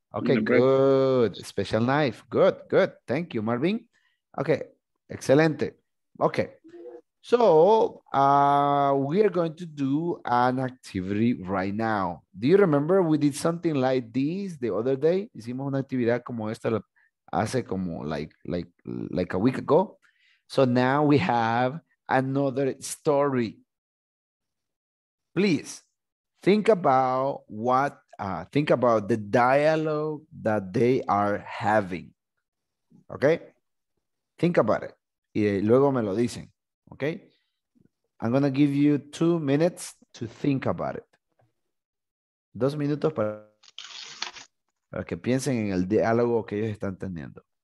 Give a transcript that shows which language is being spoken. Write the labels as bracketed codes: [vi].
[en] Okay, good. Bread. Special knife. Good, good. Thank you, Marvin. Okay, excelente. Okay. So we are going to do an activity right now. Do you remember we did something like this the other day? [es] Hicimos una actividad como esta hace como [en] like a week ago. So now we have another story. Please think about what think about the dialogue that they are having. Okay? Think about it. [es] Y luego me lo dicen. [en] Okay? I'm going to give you 2 minutes to think about it. [es] 2 minutos para que piensen en el diálogo que ellos están teniendo.